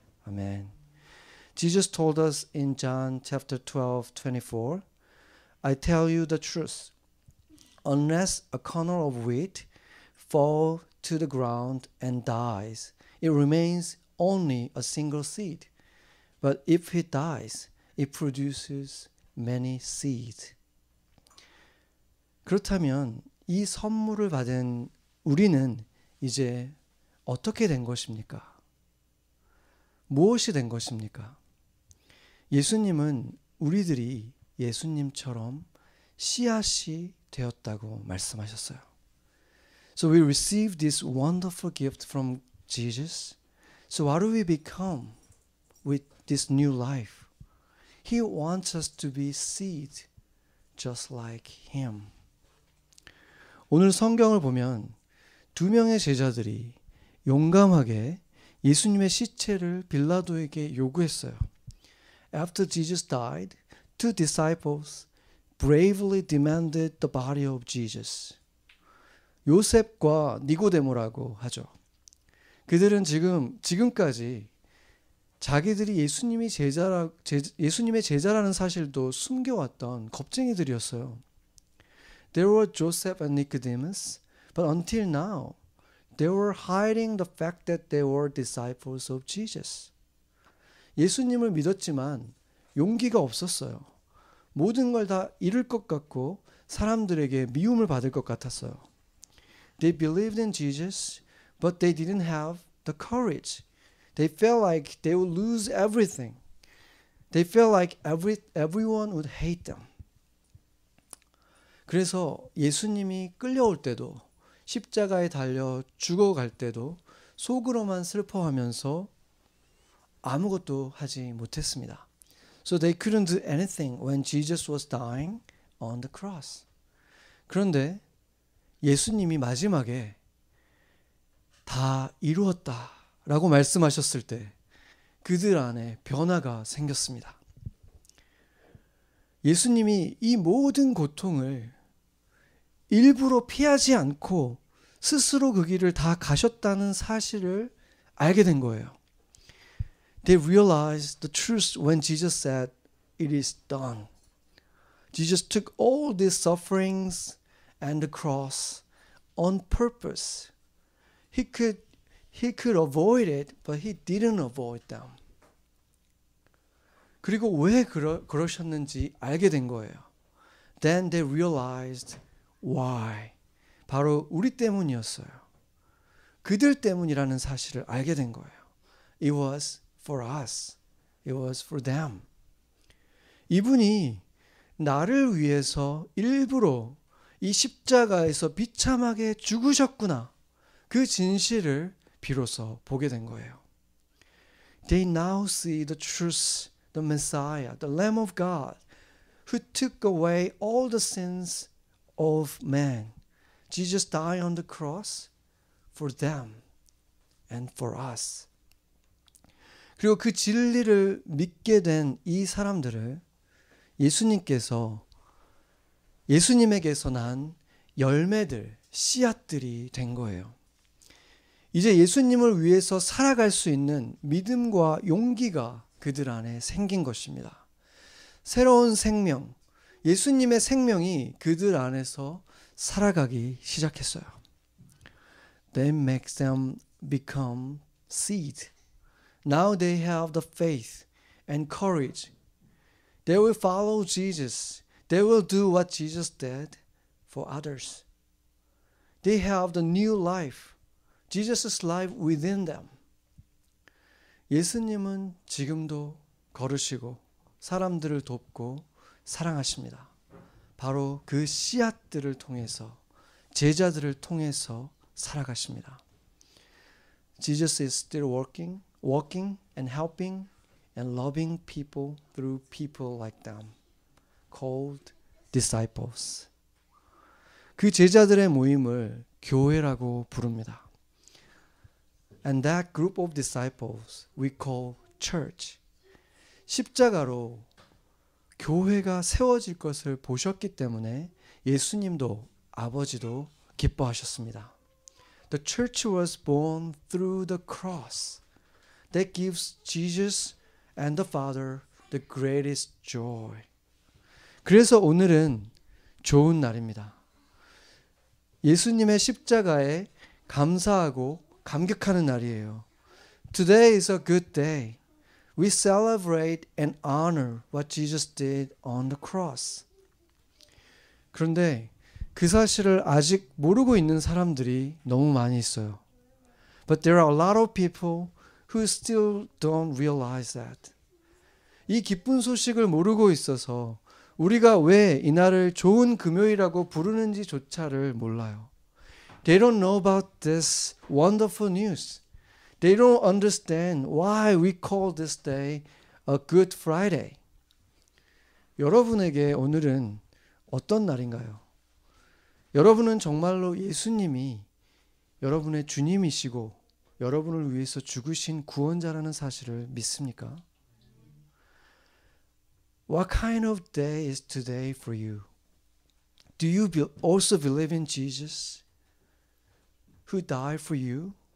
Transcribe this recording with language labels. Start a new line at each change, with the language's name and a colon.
Korean: 아멘.
English: Jesus told us in John chapter 12:24, I tell you the truth. Unless a kernel of wheat fall to the ground and dies, it remains only a single seed. But if it dies, it produces many seeds.
Korean: 그렇다면 이 선물을 받은 우리는 이제 어떻게 된 것입니까? 무엇이 된 것입니까? 예수님은 우리들이 예수님처럼 씨앗이 되었다고 말씀하셨어요.
English: So we receive this wonderful gift from Jesus. So what do we become with this new life? He wants us to be seed just like him.
Korean: 오늘 성경을 보면 두 명의 제자들이 용감하게 예수님의 시체를 빌라도에게 요구했어요.
English: After Jesus died, two disciples bravely demanded the body of Jesus.
Korean: 요셉과 니고데모라고 하죠. 그들은 지금까지 자기들이 예수님의 제자라는 사실도 숨겨왔던 겁쟁이들이었어요.
English: There were Joseph and Nicodemus, but until now, they were hiding the fact that they were disciples of Jesus.
Korean: 예수님을 믿었지만 용기가 없었어요. 모든 걸 다 잃을 것 같고 사람들에게 미움을 받을 것 같았어요.
English: They believed in Jesus, but they didn't have the courage. They felt like they would lose everything. They felt like everyone would hate them.
Korean: 그래서 예수님이 끌려올 때도 십자가에 달려 죽어갈 때도 속으로만 슬퍼하면서 아무것도 하지 못했습니다.
English: So they couldn't do anything when Jesus was dying on the cross.
Korean: 그런데 예수님이 마지막에 다 이루었다 라고 말씀하셨을 때 그들 안에 변화가 생겼습니다. 예수님이 이 모든 고통을 일부러 피하지 않고 스스로 그 길을 다 가셨다는 사실을 알게 된 거예요.
English: They realized the truth when Jesus said, "It is done." Jesus took all these sufferings and the cross on purpose. He could avoid it, but he didn't avoid them.
Korean: 그리고 왜 그러셨는지 알게 된 거예요.
English: Then they realized why.
Korean: 바로 우리 때문이었어요. 그들 때문이라는 사실을 알게 된 거예요.
English: It was for us. It was for them.
Korean: 이분이 나를 위해서 일부러 이 십자가에서 비참하게 죽으셨구나. 그 진실을 비로소 보게 된 거예요.
English: They now see the truth, the Messiah, the Lamb of God, who took away all the sins of man. Jesus died on the cross for them and for us.
Korean: 그리고 그 진리를 믿게 된 이 사람들을 예수님께서 예수님에게서 난 열매들, 씨앗들이 된 거예요. 이제 예수님을 위해서 살아갈 수 있는 믿음과 용기가 그들 안에 생긴 것입니다. 새로운 생명, 예수님의 생명이 그들 안에서 살아가기 시작했어요.
English: They make them become seed. Now they have the faith and courage. They will follow Jesus. They will do what Jesus did for others. They have the new life, Jesus' life within them.
Korean: 예수님은 지금도 걸으시고 사람들을 돕고 사랑하십니다. 바로 그 씨앗들을 통해서 제자들을 통해서 살아가십니다.
English: Jesus is still walking and helping and loving people through people like them called disciples.
Korean: 그 제자들의 모임을 교회라고 부릅니다.
English: And that group of disciples we call church.
Korean: 십자가로 교회가 세워질 것을 보셨기 때문에 예수님도 아버지도 기뻐하셨습니다.
English: The church was born through the cross that gives Jesus and the Father the greatest joy.
Korean: 그래서 오늘은 좋은 날입니다. 예수님의 십자가에 감사하고 감격하는 날이에요.
English: Today is a good day. We celebrate and honor what Jesus did on the cross.
Korean: 그런데 그 사실을 아직 모르고 있는 사람들이 너무 많이 있어요.
English: But there are a lot of people who still don't realize that.
Korean: 이 기쁜 소식을 모르고 있어서 우리가 왜 이날을 좋은 금요일이라고 부르는지조차를 몰라요.
English: They don't know about this wonderful news. They don't understand why we call this day a Good Friday.
Korean: 여러분에게 오늘은 어떤 날인가요? 여러분은 정말로 예수님이 여러분의 주님이시고 여러분을 위해서 죽으신 구원자라는 사실을 믿습니까?
English: What kind of day is today for you? Do you also believe in Jesus who died for you?